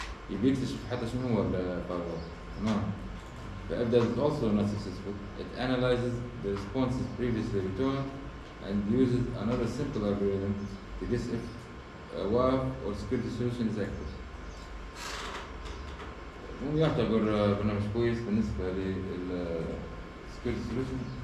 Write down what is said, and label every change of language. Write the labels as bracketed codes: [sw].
[ar] It بيكتشف حتى شنو هو الفايروال تمام. [en] If that is also not successful, it analyzes the responses previously returned and uses another simple algorithm to guess if a WAF or security solution is active. [ar] هو يعتبر برنامج كويس بالنسبة لل security solution.